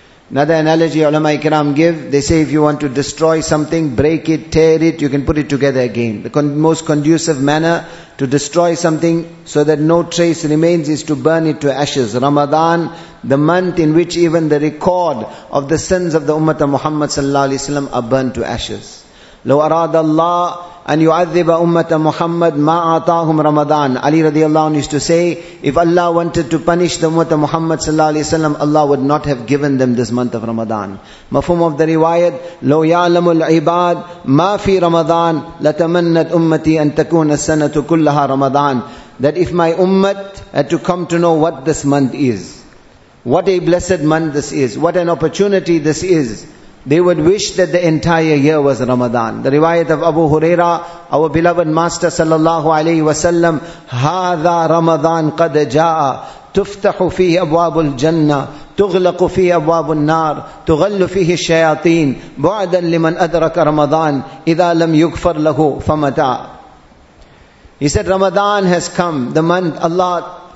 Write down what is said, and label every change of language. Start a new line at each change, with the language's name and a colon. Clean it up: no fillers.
English: Another analogy ulama ikram give, they say if you want to destroy something, break it, tear it, you can put it together again. The most conducive manner to destroy something so that no trace remains is to burn it to ashes. Ramadan, the month in which even the record of the sins of the Ummah of Muhammad sallallahu alaihi wasallam are burnt to ashes.
Arabic: لو أراد الله أن يعذب أمة محمد ما أعطاهم رمضان.
English: Ali radiallahu anhu used to say, if Allah wanted to punish the Ummah of Muhammad sallallahu alaihi wasallam, Allah would not have given them this month of Ramadan. Mafhum of the riwayat,
Arabic: لو يعلم العباد ما في رمضان لتمنت أمتي أن تكون السنة كلها رمضان.
English: That if my Ummah had to come to know what this month is, what a blessed month this is, what an opportunity this is, they would wish that the entire year was Ramadan. The riwayat of Abu Huraira, our beloved master sallallahu alayhi wa sallam,
Arabic: هَذَا رَمَضَانْ قَدْ جَاءَ تُفْتَحُ فِيهِ أَبْوَابُ الْجَنَّةِ تُغْلَقُ فِيهِ أَبْوَابُ النَّارِ تُغَلُّ فِيهِ الشَّيَاطِينَ بُعْدًا لِمَنْ أَدْرَكَ رَمَضَانْ إِذَا لَمْ يُكْفَرْ لَهُ فَمَتَى.
English: He said, Ramadan has come, the month Allah